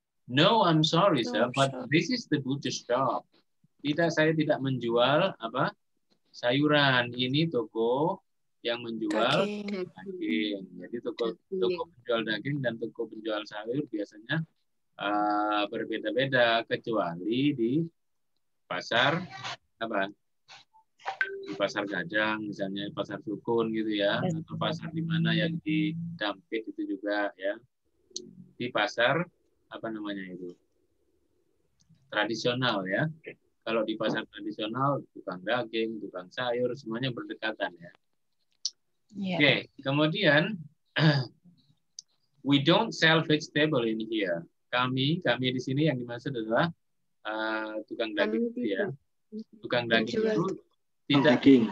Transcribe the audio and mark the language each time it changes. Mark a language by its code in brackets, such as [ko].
[en] No, I'm sorry, sir, but this is the butcher shop. [id] Saya tidak menjual apa? Sayuran. Ini toko yang menjual daging. Jadi toko penjual daging dan toko penjual sayur biasanya berbeda-beda, kecuali di pasar apa? Di pasar Gajang, misalnya pasar Sukun gitu ya, atau pasar di mana yang di Dampit itu juga ya, di pasar apa namanya itu tradisional ya. Kalau di pasar tradisional, tukang daging, tukang sayur, semuanya berdekatan ya. [en] Yeah. [id] Oke, kemudian [en] we don't sell vegetable in here. [id] Kami di sini yang dimaksud adalah tukang daging itu ya. Tukang daging itu tidak